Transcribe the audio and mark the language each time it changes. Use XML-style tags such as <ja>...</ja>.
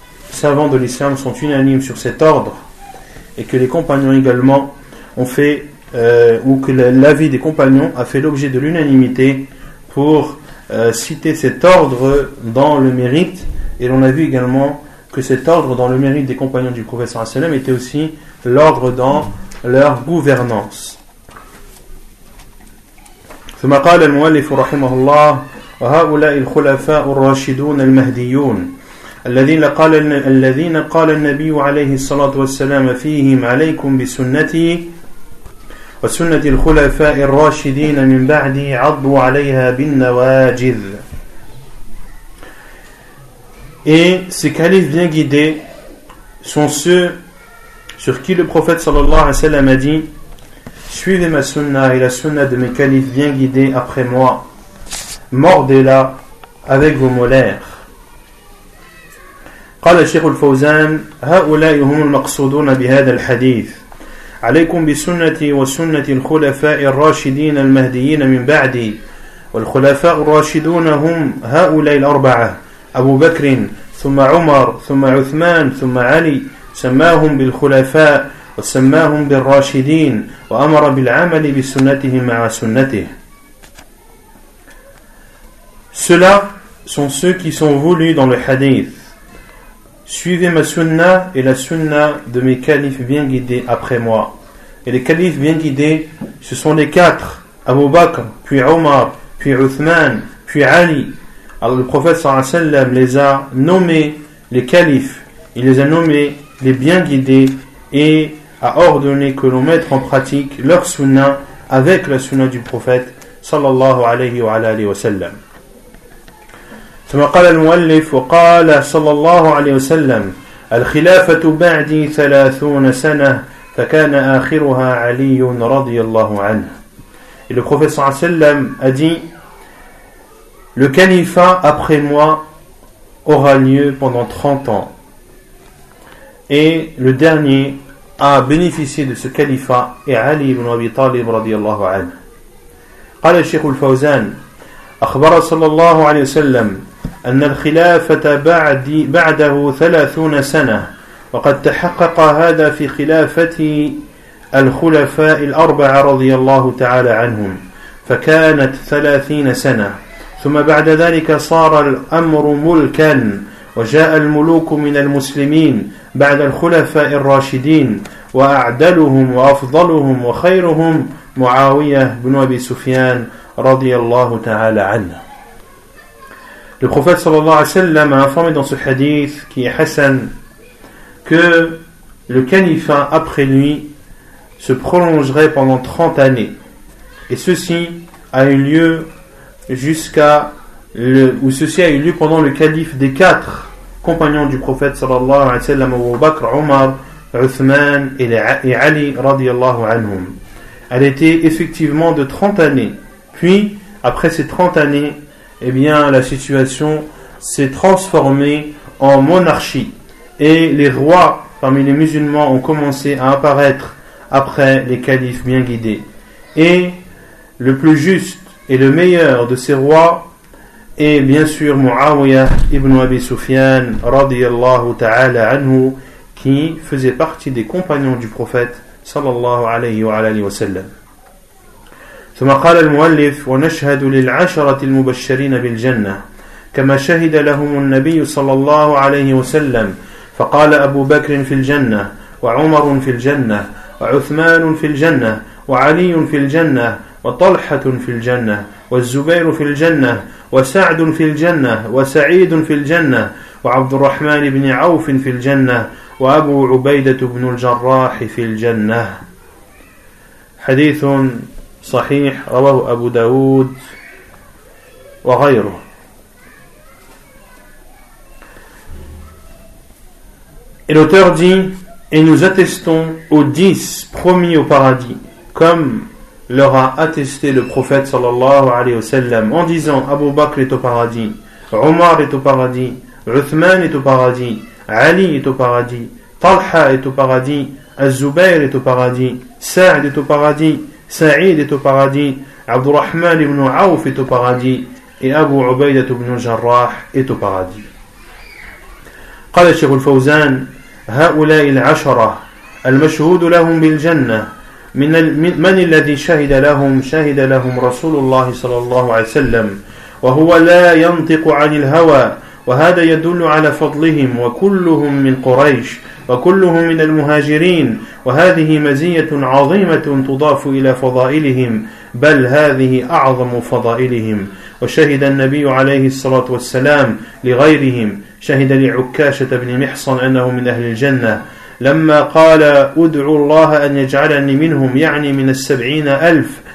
<fr>savants de l'islam sont unanimes sur cet ordre, et que les compagnons également ont fait ou que l'avis des compagnons a fait l'objet de l'unanimité pour citer cet ordre dans le mérite. Et l'on a vu également que cet ordre dans le mérite des compagnons du prophète sallallahu alayhi wa sallam était aussi l'ordre dans leur gouvernance.</fr> <ar>ثم قال المؤلف رحمه الله وهؤلاء الخلفاء الراشدون المهديون الذين قال النبي عليه الصلاة والسلام فيهم عليكم بسنتي وسنة الخلفاء الراشدين من بعدي عضوا عليها بالنواجذ.</ar> <fr>Et ces califes bien guidés sont ceux sur qui le prophète sallallahu alayhi wa sallam a dit: suivez ma sunna et la sunna de mes califes bien guidés après moi, mordez-la avec vos molaires.</fr> <ar>قال الشيخ الفوزان هؤلاء هم المقصودون بهذا الحديث عليكم بسنتي وسنة الخلفاء الراشدين المهديين من بعدي. والخلفاء الراشدون هم هؤلاء الأربعة: أبو بكر ثم عمر ثم عثمان ثم علي. سماهم بالخلفاء وسماهم بالراشدين وأمر بالعمل بسنته مع سنته.</ar> <fr>Ceux-là sont ceux qui sont voulus dans le hadith: suivez ma sunna et la sunna de mes califes bien guidés après moi. Et les califes bien guidés, ce sont les quatre: Abu Bakr, puis Omar, puis Uthman, puis Ali. Alors le prophète sallallahu alayhi wa sallam les a nommés les califes, il les a nommés les bien guidés et a ordonné que l'on mette en pratique leur sunna avec la sunna du prophète sallallahu alayhi wa sallam.</fr> <ar>ثم قال المؤلف وقال صلى الله عليه وسلم الخلافة بعدي 30 سنة فكان آخرها علي رضي الله عنه.</ar> <fr>Et le prophète صلى الله عليه وسلم a dit: le califat après moi aura lieu pendant 30 ans. Et le dernier a bénéficié de ce califat est Ali ibn Abi Talib رضي الله عنه.</fr> <ar>قال الشيخ الفوزان أخبر صلى الله عليه وسلم أن الخلافة بعده 30 سنة وقد تحقق هذا في خلافة الخلفاء الأربعة رضي الله تعالى عنهم فكانت 30 سنة ثم بعد ذلك صار الأمر ملكا وجاء الملوك من المسلمين بعد الخلفاء الراشدين وأعدلهم وأفضلهم وخيرهم معاوية بن أبي سفيان رضي الله تعالى عنه.</ar> <fr>Le prophète sallallahu alayhi wa sallam a informé dans ce hadith qui est Hassan que le califat après lui se prolongerait pendant 30 années. Et ceci a eu lieu pendant le calife des quatre compagnons du prophète sallallahu alayhi wa sallam, Abu Bakr, Omar, Uthman et Ali radiallahu anhum. Elle était effectivement de 30 années. Puis, après ces 30 années, eh bien, la situation s'est transformée en monarchie et les rois parmi les musulmans ont commencé à apparaître après les califes bien guidés. Et le plus juste et le meilleur de ces rois est bien sûr Muawiyah ibn Abi Sufyan radiyallahu ta'ala anhu, qui faisait partie des compagnons du prophète sallallahu alayhi wa alayhi wa sallam.</fr> <ar>ثم قال المؤلف ونشهد للعشرة المبشرين بالجنة كما شهد لهم النبي صلى الله عليه وسلم فقال أبو بكر في الجنة وعمر في الجنة وعثمان في الجنة وعلي في الجنة وطلحة في الجنة والزبير في الجنة وسعد في الجنة وسعيد في الجنة وعبد الرحمن بن عوف في الجنة وأبو عبيدة بن الجراح في الجنة. حديث صحيح رواه أبو داود وغيره.</ar> <fr>Et l'auteur dit, et nous attestons aux 10 promis au paradis, comme leur a attesté le prophète sallallahu alayhi wa sallam, en disant, Abu Bakr est au paradis, Omar est au paradis, Uthman est au paradis, Ali est au paradis, Talha est au paradis, Az-Zubayr est au paradis, Sa'd est au paradis, Sa'id est au paradis, Abdurrahman ibn Awf est au paradis, et Abu Ubaidah ibn Jarrah est au paradis.</fr> <ar>قال الشيخ الفوزان هؤلاء العشرة المشهود لهم بالجنة من من الذي شهد لهم شهد لهم رسول الله صلى الله عليه وسلم وهو لا ينطق عن الهوى وهذا يدل على فضلهم وكلهم من قريش وكلهم من المهاجرين وهذه مزية عظيمة تضاف إلى فضائلهم بل هذه أعظم فضائلهم وشهد النبي عليه الصلاة والسلام لغيرهم شهد لعكاشة بن محصن أنه من أهل الجنة لما قال أدعو الله أن يجعلني منهم يعني من 70,000</ar>